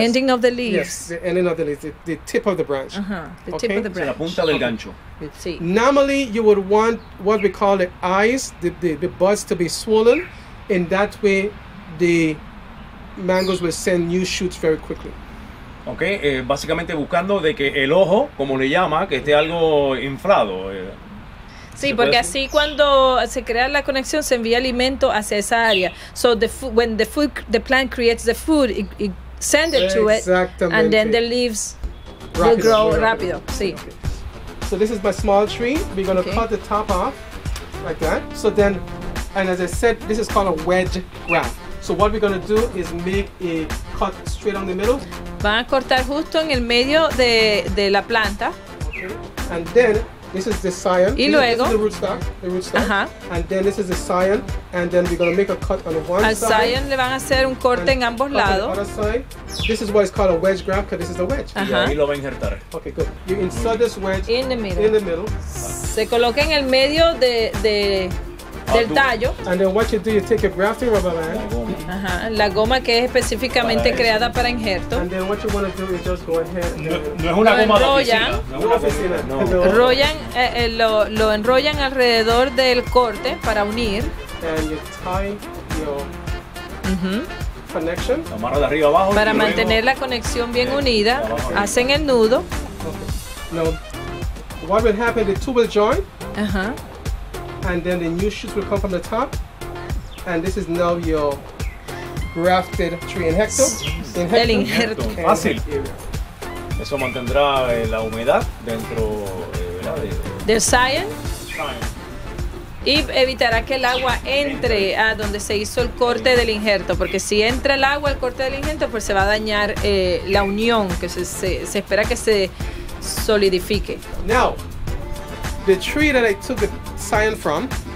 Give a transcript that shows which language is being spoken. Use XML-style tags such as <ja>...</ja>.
<en>ending of the leaves. Yes, the ending of the leaves, the tip of the branch. Uh-huh. The tip of the branch.</en> <es>La punta del gancho. Sí.</es> <en>Normally, you would want what we call the eyes, the buds to be swollen, and that way the mangoes will send new shoots very quickly.</en> <es>Okay, básicamente buscando de que el ojo, como le llama, que esté algo inflado. Sí, porque así cuando se crea la conexión se envía alimento hacia esa área.</es> <en>So the food, when the food, the plant creates the food, it send it to it.</en> <es>Exactamente.</es> <en>And then the leaves rapid, will grow rapid.</en> <es>Rápido. Sí.</es> <en>Okay. So this is my small tree. We're going to cut the top off. like that. So then, and as I said, this is called a wedge graph. So what we're going to do is make a cut straight on the middle.</en> <es>Van a cortar justo en el medio de la planta.</es> <en>Okay. And then this is the scion.</en> <es>Y luego.</es> <en>This is the rootstock. Uh-huh. And then this is the scion. And then we're going to make a cut on one</en> <es>Al</es> <en>side.</en> <es>Al scion le van a hacer un corte en ambos lados.</es> <en>On the other side. This is what is called a wedge graph because this is a wedge.</en> <es>Uh-huh. Y ahí lo va a injertar.</es> <en>Okay, good. You insert this wedge in the middle. In the middle.</en> <es>Se coloca en el medio del tallo.</es> <en>And then what you do, you take a grafting rubber band.</en> <es>La goma que es específicamente para creada para injerto.</es> <en>And then what you want to do is just go ahead.</en> <es>No es una goma de oficina. No es una oficina. Enrollan, lo enrollan alrededor del corte para unir.</es> <en>And you tie your connection.</en> <es>Amarra de arriba abajo. Para mantener la conexión bien unida, hacen el nudo.</es> <en>Okay. Now, what will happen, the two will join. And then the new shoots will come from the top. And this is now your grafted tree in hecto.</en> <es>El injerto. Fácil. Eso mantendrá la humedad dentro del scion.</es> <en>Scion.</en> <es>Y evitará que el agua entre a donde se hizo el corte del injerto. Porque si entra el agua al corte del injerto, pues se va a dañar la unión, que se espera que se solidifique.</es> <en>Now, the tree that I took the scion from</en>